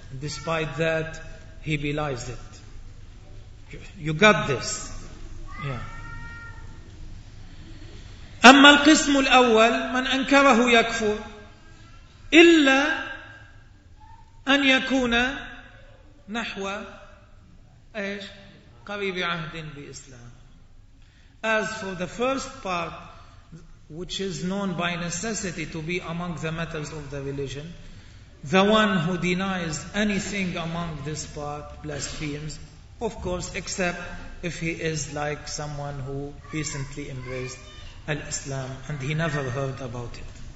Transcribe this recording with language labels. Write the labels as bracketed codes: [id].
[en] Despite that, he belies it. You got this. Yeah. [ar] أما القسم الأول من أنكره يكفر إلا أن يكون نحو إيش قريب عهد بإسلام. [en] As for the first part, which is known by necessity to be among the matters of the religion, the one who denies anything among this part blasphemes, of course, except if he is like someone who recently embraced Al-Islam and he never heard about it.